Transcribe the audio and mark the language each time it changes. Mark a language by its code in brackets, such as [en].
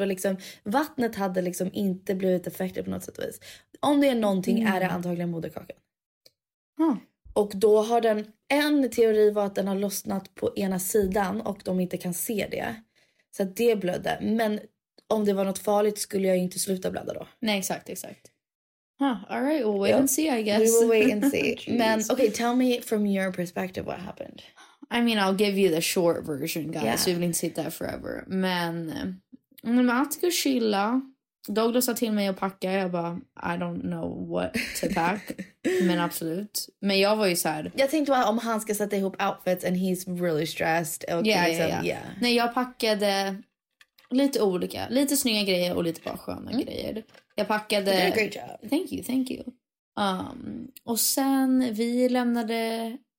[sv] Och liksom, vattnet hade liksom inte blivit effektivt på något sätt och vis. Om det är någonting är det antagligen moderkakan. Och då har den... En teori var att den har lossnat på ena sidan och de inte kan se det. Så att det blödde. Men om det var något farligt skulle jag ju inte sluta blöda då. Nej, exakt. [en] Huh, all right, we'll wait and see, I guess. We will wait and see. Men, okay, tell me from your perspective what happened. I mean, I'll give you the short version, guys. Yeah. We've been sitting there forever. [sv] Men, Matika och Sheila, Douglas sa till mig att packa. Jag bara, [en] I don't know what to pack. [sv] Men absolut. Men jag var ju såhär. Jag tänkte bara om han ska sätta ihop outfits [en] and he's really stressed. Okay, yeah. [sv] Nej, jag packade lite olika. Lite snygga grejer och lite bara sköna grejer. Jag packade... [en] You did a great job. Thank you. [sv] Och sen vi lämnade...